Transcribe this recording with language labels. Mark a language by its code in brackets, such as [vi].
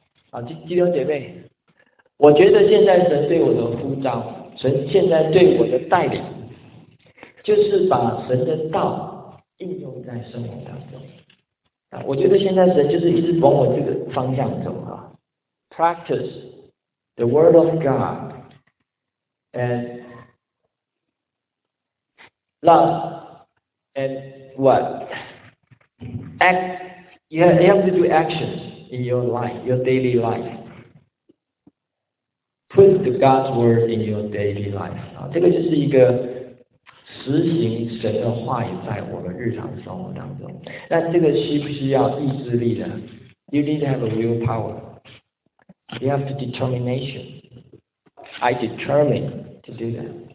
[zh] 好，弟兄姐妹，我觉得现在神对我的呼召，神现在对我的带领，就是把神的道应用在生活当中。我觉得现在神就是一直往我这个方向走啊。 [en] Practice the word of God you have to do actions in your life, your daily life. Put the God's word in your daily life. [zh] 这个就是一个实行神的话语在我们日常生活当中。那这个需不需要意志力呢？ [en] You need to have a willpower. You have the determination. I determine to do that.